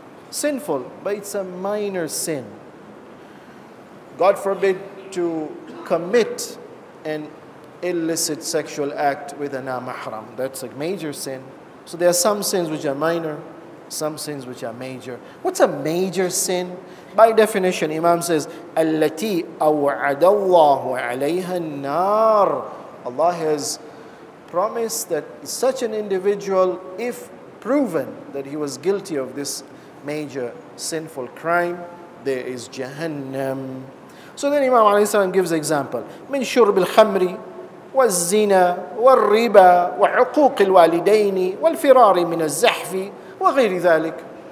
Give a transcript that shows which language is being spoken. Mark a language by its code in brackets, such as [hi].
[en] Sinful, but it's a minor sin. God forbid to commit an illicit sexual act with a non-mahram. That's a major sin. So there are some sins which are minor, some sins which are major. What's a major sin? By definition, Imam says, [ar] التي أوعد الله عليها النار. [en] Allah has promised that such an individual, if proven that he was guilty of this major sinful crime, there is Jahannam. So then Imam alayhi salam gives an example. [ar] مِن شُرْبِ الْخَمْرِ وَالزِّنَا وَالرِّبَى وَحُقُوقِ الْوَالِدَيْنِ وَالْفِرَارِ مِنَ الزَّحْفِ وَغَيْرِ ذَلِكَ.